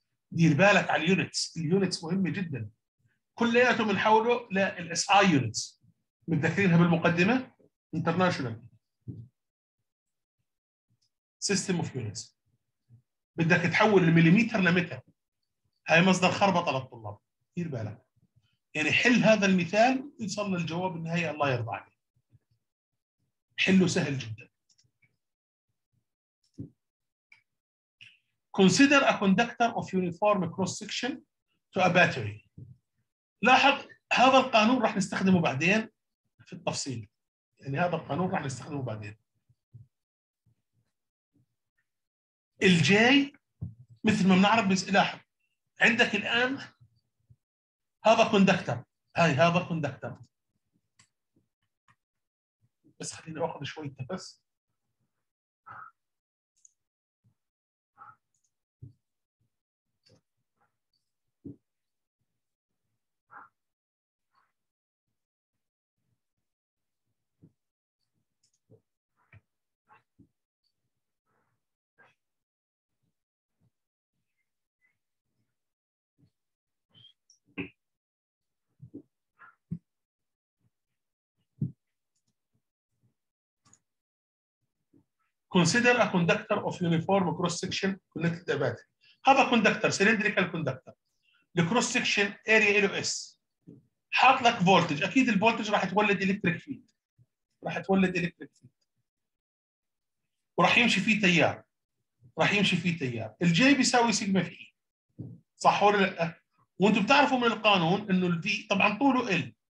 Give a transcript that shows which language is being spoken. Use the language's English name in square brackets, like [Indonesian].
[Arabic] دير بالك على اليونتس، اليونتس مهمه جدا، كلياتهم بنحوله للاس اي يونتس، متذكرينها بالمقدمه انترناشونال سيستم اوف يونتس. بدك تحول المليمتر لمتر، هاي مصدر خربطه للطلاب، دير بالك. يعني حل هذا المثال يوصل للجواب النهائي الله يرضى عليك، حله سهل جدا. [English] Consider a conductor of uniform cross section to a battery. [Arabic] لاحظ هذا القانون راح نستخدمه بعدين في التفصيل، يعني هذا القانون راح نستخدمه بعدين. الجاي مثل ما بنعرف، لاحظ عندك الآن هذا كوندكتر، هاي هذا كوندكتر، بس خليني اخذ شوي نفس. [English] Consider a conductor of uniform cross section connected to a battery. [Arabic] هذا كوندكتر، سيلندريكال كوندكتر. الكروس سكشن اريا له اس، حاط لك فولتج، اكيد الفولتج راح تولد الكتريك فيلد، راح تولد الكتريك فيلد وراح يمشي فيه تيار، راح يمشي فيه تيار، الجي بيساوي سيجما في، صح ولا لا؟ وانتم بتعرفوا من القانون انه الفي طبعا طوله ال،